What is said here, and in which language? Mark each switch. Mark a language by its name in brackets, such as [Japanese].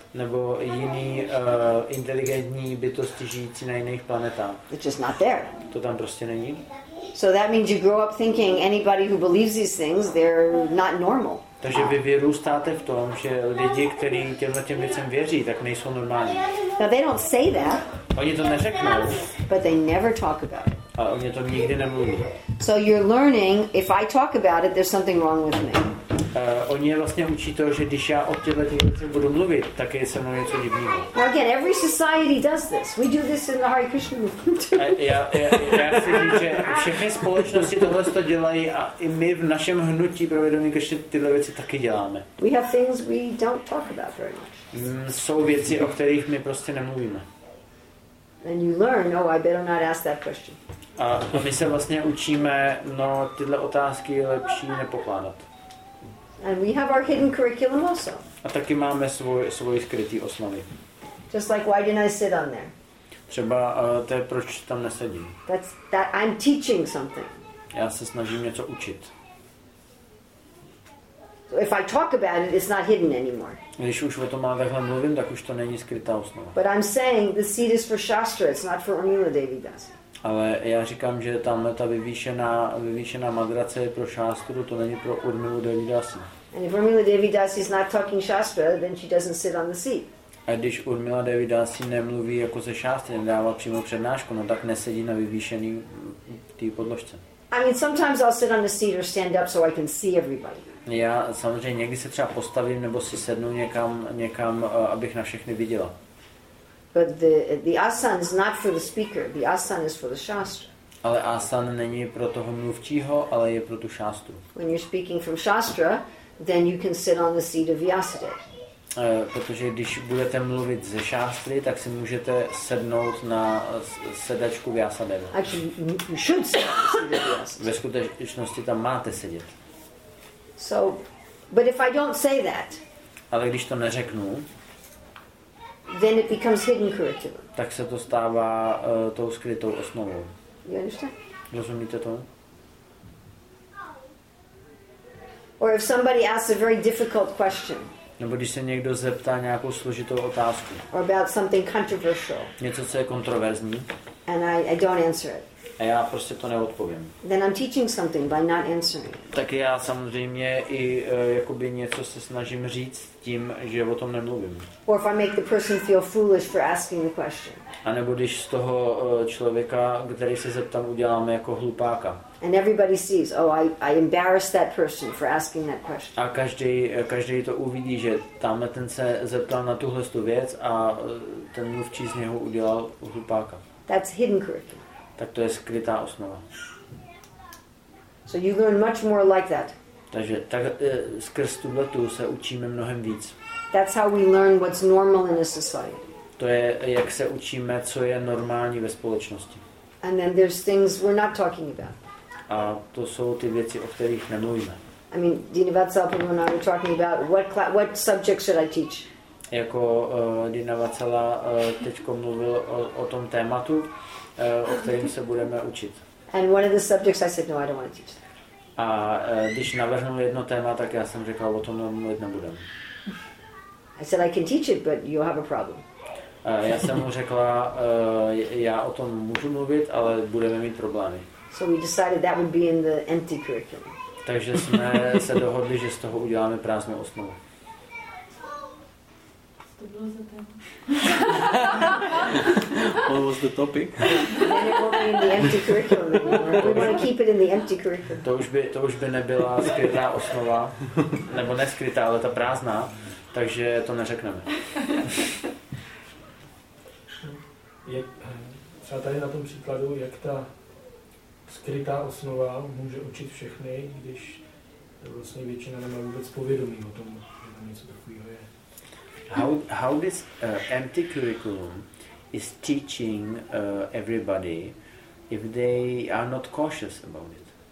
[Czech] Nebo jiný inteligentní bytosti žijící na jiných planetách. [English] It's just not there. [Czech] To tam prostě není. [English] So that means you grow up thinking anybody who believes these things, they're not normal. [Czech] Takže vy vyrůstáte v tom, že lidi, kteří těm věcem věří, tak nejsou normální. [English] Now they don't say that. [Czech] Oni to neřeknou. [English] But they never talk about it. [Czech] A oni to nikdy nemluví. [English] So you're learning, if I talk about it, there's something wrong with me. [Czech] Oni vlastně učí to, že když já o těchto věcech budu mluvit, tak je se mnou něco divného. [English] Well, again, every society does this. We do this in the Hare Krishna movement. [Czech] já si říct, že všechny společnosti tohle to dělají a i my v našem hnutí pro vědomí Krishna tyhle věci taky děláme. [English] We have things we don't talk about very much. [Czech] Jsou věci, o kterých my prostě nemluvíme. [English] And you learn, oh, I better not ask that question. [Czech] A my se vlastně učíme, no, tyhle otázky je lepší nepokládat. [English] And we have our hidden curriculum also. [Czech] A taky máme svoje skryté osnovy. [English] Just like why didn't I sit on there? [Czech] Třeba to je proč tam nesedím. [English] That I'm teaching something. [Czech] Já se snažím něco učit. [English] So if I talk about it, it's not hidden anymore. [Czech] Když už o tom takhle mluvím, tak už to není skrytá osnova. [English] But I'm saying the seed is for Shastra, it's not for Anila Devi Das. [Czech] Ale já říkám, že tamhle ta vyvýšená madrace je pro Shastru, to není pro Urmilu Devi Dasi. [English] And if Urmila Devi Dasi is not talking Shastra, then she doesn't sit on the seat. [Czech] A když Urmila Devi Dasi nemluví jako se Shastry, nedává přímo přednášku, no tak nesedí na vyvýšený té podložce. [English] I mean, sometimes I'll sit on the seat or stand up so I can see everybody. [Czech] Já samozřejmě někdy se třeba postavím nebo si sednu někam, abych na všechny viděla. [English] But the asan is not for the speaker. The asan is for the shastra. [Czech] Ale asan není pro toho mluvčího, ale je pro tu šástru. [English] When you're speaking from shastra, then you can sit on the seat of Vyasadeva. [Czech] Protože když budete mluvit ze šástry, tak si můžete sednout na sedačku Vyasadeva. [English] Actually, you should sit on the seat of Vyasadeva. [Czech] Ve skutečnosti tam máte sedět. [English] So, but if I don't say that. [Czech] Ale když to neřeknu. [English] Then it becomes hidden curriculum. [Czech] Tak se to stává tou skrytou osnovou. [English] You understand? [Czech] Rozumíte to? [English] Or if somebody asks a very difficult question. [Czech] Nebo když se někdo zeptá nějakou složitou otázku. [English] Or about something controversial. [Czech] Něco, co je kontroverzní. [English] And I don't answer it. [Czech] a já prostě to neodpovím. [English] Then I'm teaching something by not answering. [Czech] Tak já samozřejmě i jakoby něco se snažím říct tím, že o tom nemluvím. [English] Or if I make the person feel foolish for asking the question. [Czech] A nebo když z toho člověka, který se zeptám, uděláme jako hlupáka. [English] And everybody sees, oh, I embarrassed that person for asking that question. [Czech] A každý to uvidí, že tamhle ten se zeptal na tuhle tu věc a ten mluvčí z něho udělal hlupáka. [English] That's hidden curriculum. [Czech] Tak to je skrytá osnova. [English] So you learn much more like that. [Czech] Takže tak skrz tuhle tu se učíme mnohem víc. [English] That's how we learn what's normal in a society. [Czech] To je, jak se učíme, co je normální ve společnosti. [English] And then there's things we're not talking about. [Czech] A to jsou ty věci, o kterých nemluvíme. [English] I mean, Dina Vatsala, when I was talking about what subject should I teach? [Czech] Jako Dina Vatsala teďko mluvil o tom tématu, o kterém se budeme učit. [English] And one of the subjects I said, no, I don't want to teach. [Czech] A když navrhnu jedno téma, tak já jsem řekl, o tom mluvit nebudem. [English] I said, I can teach it, but you'll have a problem. [Czech] Já jsem mu řekla, já o tom můžu mluvit, ale budeme mít problémy. [English] So we decided that would be in the empty curriculum. [Czech] Takže jsme se dohodli, že z toho uděláme prázdnou osnovu. To bylo za téma. [English] What was the topic? It won't be in the empty curriculum. We want to keep it in the empty curriculum. [Czech] To už by nebyla skrytá osnova, nebo neskrytá, ale ta prázdná, takže to neřekneme. Třeba tady na tom příkladu, jak ta skrytá osnova může učit všechny, když vlastně většina nemá vůbec povědomí o tom, že tam něco takového je. [English] How this empty curriculum is teaching everybody if they are not cautious about it?